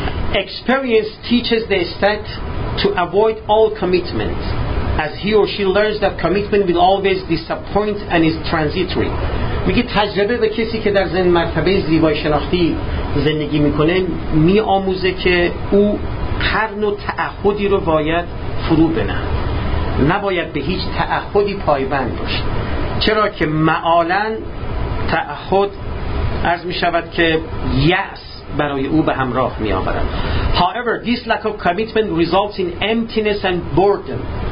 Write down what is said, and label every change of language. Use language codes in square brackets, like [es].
[en] Experience teaches the ascet to avoid all commitment, as he or she learns that commitment will always disappoint and is transitory. [fa] میگه تجربه به کسی که در زن مرتبه زیبای شناختی زندگی میکنه میآموزه که او هر نوع تعهدی رو باید فرو بنه، نباید به هیچ تعهدی پایبند باشه، چرا که معالا تعهد عرض میشود که یأس برای او به همراه میآورد. [en] However, this lack of commitment results in emptiness and boredom.